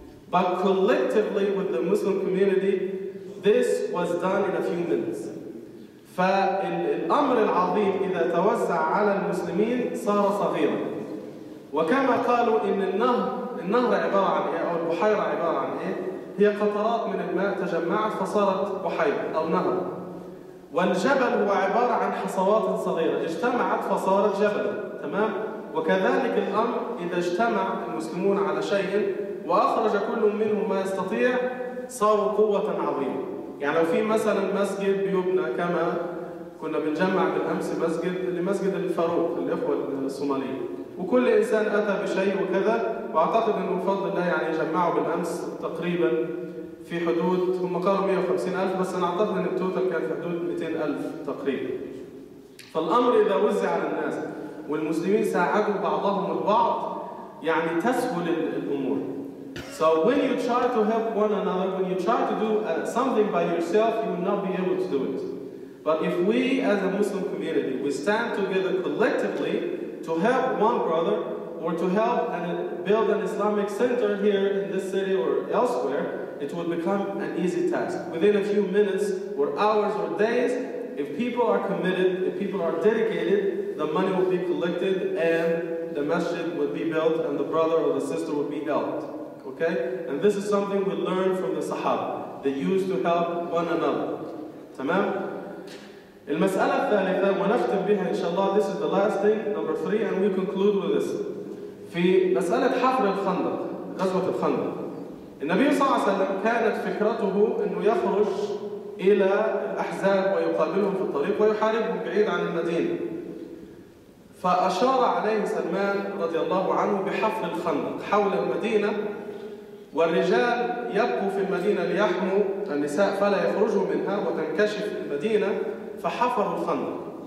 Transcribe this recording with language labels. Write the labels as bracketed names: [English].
[English] But collectively with the Muslim community, this was done in a few minutes. [Arabic] فالأمر العظيم إذا توزع على المسلمين صار صغيرا. وكما قالوا إن النهر عبارة عن إيه أو البحيرة عبارة عن إيه هي قطرات من الماء تجمعت فصارت بحيرة أو نهر. والجبل هو عبارة عن حصوات صغيرة اجتمعت فصارت جبل. تمام؟ وكذلك الأمر إذا اجتمع المسلمون على شيء وأخرج كل منهم ما يستطيع صاروا قوة عظيمة. يعني لو في مثلا مسجد بيبنى كما كنا بنجمع بالامس مسجد لمسجد الفاروق الاخوه الصوماليين وكل انسان اتى بشيء وكذا واعتقد انه بفضل الله يعني جمعوا بالامس تقريبا في حدود هم قالوا 150,000 بس انا اعتقد ان التوتال كان في حدود 200,000 تقريبا. فالامر اذا وزع على الناس والمسلمين ساعدوا بعضهم البعض يعني تسهل الامور. [English] So when you try to help one another, when you try to do something by yourself, you will not be able to do it. But if we as a Muslim community, we stand together collectively to help one brother or to help and build an Islamic center here in this city or elsewhere, it will become an easy task. Within a few minutes or hours or days, if people are committed, if people are dedicated, the money will be collected and the masjid will be built and the brother or the sister will be helped. Okay? And this is something we learned from the Sahaba. They used to help one another. [Arabic] Tamam? المسألة الثالثة ونختم بها إن شاء الله. [English] This is the last thing, number 3, and we conclude with this. [Arabic] في مسألة حفر الخندق, غزوة الخندق. النبي صلى الله عليه وسلم كانت فكرته أنه يخرج إلى الأحزاب ويقابلهم في الطريق ويحاربهم بعيد عن المدينة. فأشار عليه سلمان رضي الله عنه بحفر الخندق حول المدينة والرجال يبقوا في المدينة ليحموا النساء فلا يخرجوا منها وتنكشف المدينة فحفروا الخندق.